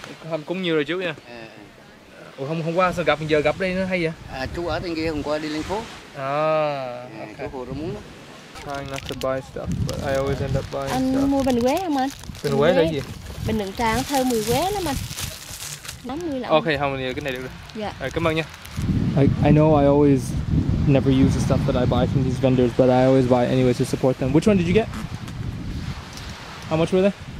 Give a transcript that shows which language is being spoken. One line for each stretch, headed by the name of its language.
Vietnamese: Làm cũng nhiều rồi chú nha. Ủa không, hôm qua sao gặp giờ gặp đây nó hay vậy? À, chú ở bên kia hôm qua đi lên phố. À. Chú Hồ rồi muốn.
English: Trying not to buy stuff, but I always end up buying
Vietnamese: anh
English: stuff.
Vietnamese: Anh mua bình quế không anh? Bình quế là gì? Bình đựng trà nó thơm mùi quế lắm anh. 80 lận. Okay, không, cái này được rồi. Dạ. Rồi, cảm ơn nha.
English: I know I always never use the stuff that I buy from these vendors, but I always buy anyways to support them. Which one did you get? How much were they?